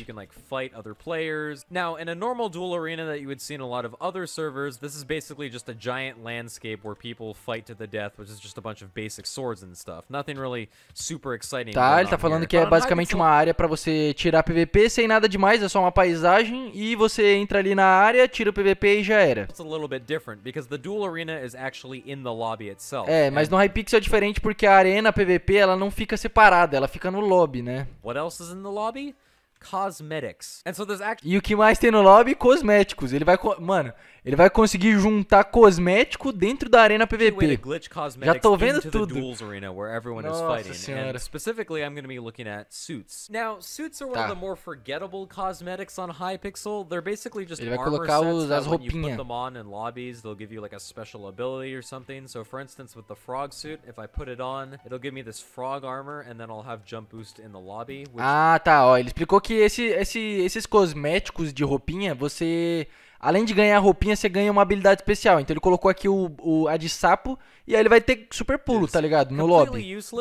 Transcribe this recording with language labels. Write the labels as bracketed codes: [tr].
[en] You can like fight other players. Now, in a normal duel arena that you would see in a lot of other servers, this is basically just a giant landscape where people fight to the death, which is just a bunch of basic swords and stuff. Nothing really super exciting. [pt] Tá, ele tá falando que é basicamente uma área para você tirar PVP sem nada demais, é só uma paisagem e você entra ali na área, tira o PVP e já era. [en] It's a little bit different because the duel arena is actually in the lobby itself. [pt] É, mas no Hypixel é diferente porque a arena PVP, ela não fica separada, ela fica no lobby, né? [en] What else is in the lobby? Cosmetics. And so there's actually... [pt] E o que mais tem no lobby? Cosméticos. Ele vai... Mano, ele vai conseguir juntar cosmético dentro da arena PVP. Já tô vendo tudo. Nossa senhora. [en] Specifically, I'm gonna be looking at suits. Now, suits are one of the more forgettable cosmetics on Hypixel. They're basically just armor sets. [pt] Ele vai colocar as roupinhas. [en] When you put them on in lobbies, they'll give you like a special ability or something. So, for instance, with the frog suit, if I put it on, it'll give me this frog armor, and then I'll have jump boost in the lobby. Which... [pt] Ah, tá. Ó, ele explicou que esses cosméticos de roupinha, você... Além de ganhar roupinha, você ganha uma habilidade especial. Então ele colocou aqui a de sapo. E aí ele vai ter super pulo, tá ligado? No lobby.